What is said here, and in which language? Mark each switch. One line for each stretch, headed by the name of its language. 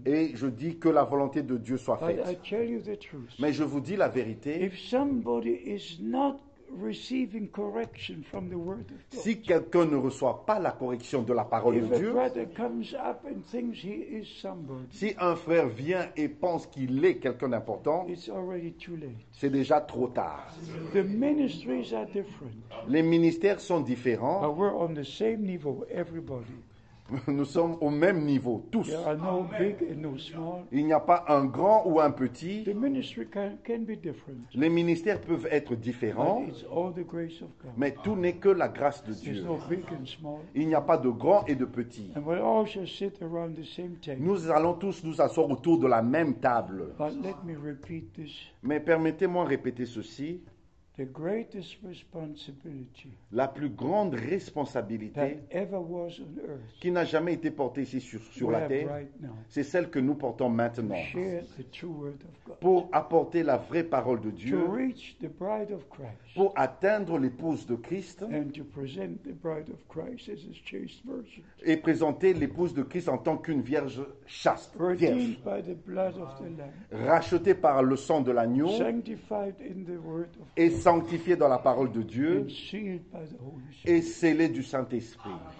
French: Et je dis que la volonté de Dieu soit faite.
English: But I tell you the truth.
French: Mais je vous dis la vérité.
English: If somebody is not receiving correction from the word of God.
French: Si quelqu'un ne reçoit pas la correction de la parole
English: if
French: de Dieu,
English: brother comes up and thinks he is somebody,
French: si un frère vient et pense qu'il est quelqu'un d'important,
English: it's already too late.
French: C'est déjà trop tard.
English: The ministries are different.
French: Les ministères sont différents.
English: But we're on the same level, everybody.
French: Nous sommes au même niveau, tous.
English: There are no big and no small.
French: Il n'y a pas un grand ou un petit.
English: The ministry can be different.
French: Les ministères peuvent être différents.
English: But it's all the grace of God.
French: Mais tout n'est que la grâce de Dieu.
English: There's no big and small.
French: Il n'y a pas de grand et de petit.
English: And we'll all just sit around the same table.
French: Nous allons tous nous asseoir autour de la même table.
English: But let me repeat this.
French: Mais permettez-moi répéter ceci.
English: The greatest responsibility
French: la plus grande responsabilité
English: ever was on earth,
French: qui n'a jamais été portée ici sur la terre,
English: right now,
French: c'est celle que nous portons maintenant
English: the true word of God,
French: pour apporter la vraie parole de Dieu,
English: to reach the bride of Christ,
French: pour atteindre l'épouse de Christ,
English: and to present the bride of Christ as a chaste virgin,
French: et présenter l'épouse de Christ en tant qu'une vierge chaste,
English: redeemed by the blood of the Lamb,
French: rachetée par le sang de l'agneau,
English: sanctified in the word of
French: et sanctifié dans la parole de Dieu et scellé du Saint-Esprit.